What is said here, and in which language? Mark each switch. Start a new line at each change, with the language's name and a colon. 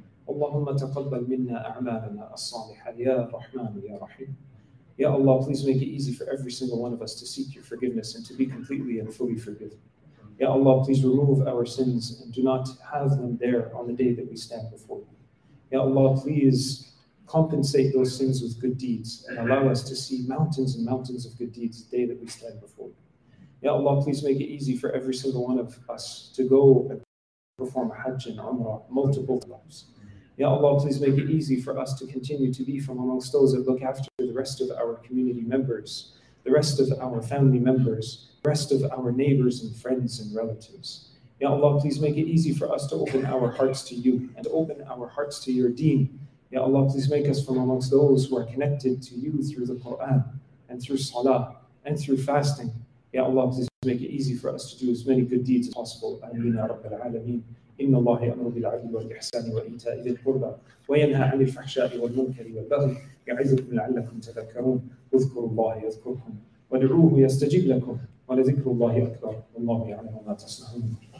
Arabic: اللهم تقبل منا أعمالنا الصالحة يا رحمن يا رحيم.
English: يا الله, please make it easy for every single one of us to seek your forgiveness and to be completely and fully forgiven. يا الله, please remove our sins and do not have them there on the day that we stand before you. يا الله, please compensate those sins with good deeds and allow us to see mountains and mountains of good deeds the day that we stand before you. يا الله, please make it easy for every single one of us to go and perform Hajj and Umrah multiple times. Ya Allah, please make it easy for us to continue to be from amongst those that look after the rest of our community members. the rest of our family members, the rest of our neighbors and friends and relatives. Ya Allah, please make it easy for us to open our hearts to you and open our hearts to your deen. Ya Allah, please make us from amongst those who are connected to you through the Quran and through salah and through fasting. Ya Allah, please make it easy for us to do as many good deeds as possible.
Arabic: Ameen ya Rabbil Alameen. إن الله يأمر بالعدل والإحسان وإيتاء ذي القربى وينهى عن الفحشاء والمنكر والبغي يعظكم لعلكم تذكرون اذكروا الله يذكركم وادعوه يستجب لكم ولذكر الله أكبر والله يعلم ما تصنعون.